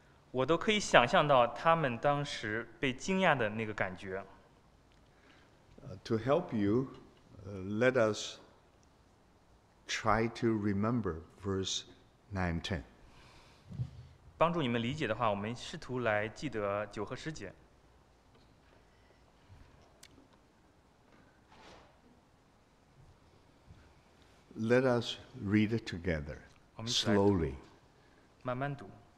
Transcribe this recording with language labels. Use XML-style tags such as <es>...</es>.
<zh>我都可以想象到他们当时被惊讶的那个感觉。</zh> <en>To help you, let us try to remember verse 9-10.</en> <zh>帮助你们理解的话，我们试图来记得九和十节。</zh> <en>Let us read it together, slowly.</en> <zh>慢慢读。</zh>